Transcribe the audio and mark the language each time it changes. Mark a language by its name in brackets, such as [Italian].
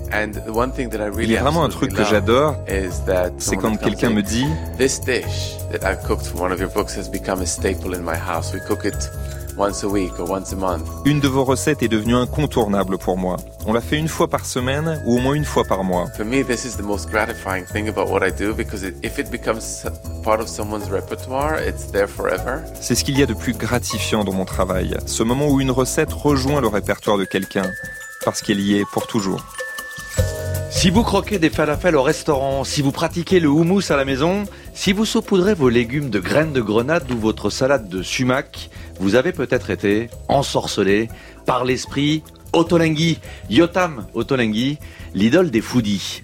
[French] Il y a vraiment un truc que j'adore, c'est quand quelqu'un me dit une de vos recettes est devenue incontournable pour moi. On la fait une fois par semaine ou au moins une fois par mois. [English] For me, this is the most gratifying thing about what I do because if it becomes part of someone's repertoire, it's there forever. [French] C'est ce qu'il y a de plus gratifiant dans mon travail, ce moment où une recette rejoint le répertoire de quelqu'un parce qu'elle y est pour toujours. Si vous croquez des falafels au restaurant, si vous pratiquez le houmous à la maison, si vous saupoudrez vos légumes de graines de grenade ou votre salade de sumac, vous avez peut-être été ensorcelé par l'esprit Ottolenghi, Yotam Ottolenghi, l'idole des foodies.